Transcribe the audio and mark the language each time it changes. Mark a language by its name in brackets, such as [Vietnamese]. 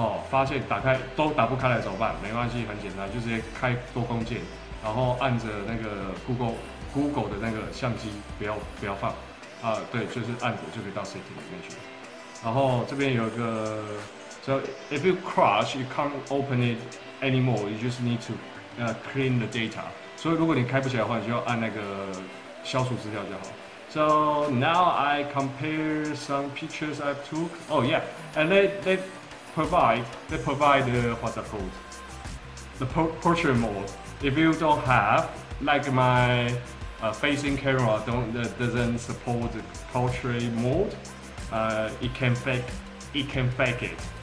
[Chinese] 发现打开都打不开来怎么办？没关系，很简单，就直接开多功键，然后按着那个 Google 的那个相机不要放，对，就是按着就可以到 Setting 里面去。然后这边有一个。 [English] So if you crash, you can't open it anymore. You just need to clean the data. [Chinese] 所以如果你开不起来的话，你就要按那个消除资料就好。 [English] So now I compare some pictures I took. Oh yeah, and they provide the what's that called? The portrait mode. If you don't have, like my facing camera doesn't support the portrait mode, it can fake it.